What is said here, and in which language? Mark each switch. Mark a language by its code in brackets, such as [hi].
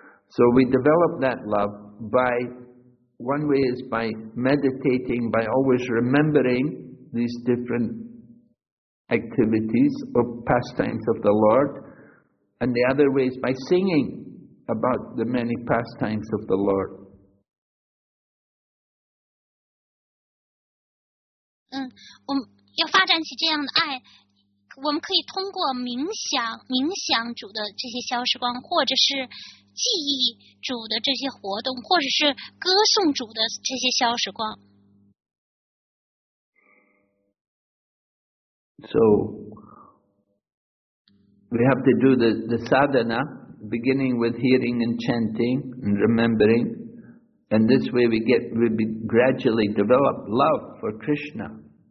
[en] So we develop that love by, one way is by meditating, by always remembering these different activities or pastimes of the Lord. And the other way is by singing about the many pastimes of the Lord. [zh] 我们要发展起这样的爱。我们可以通过冥想主的这些消时光，或者是记忆主的这些活动，或者是歌颂主的这些消时光。 [en] So we have to do the sadhana, beginning with hearing and chanting and remembering, and this way we gradually develop love for Krishna.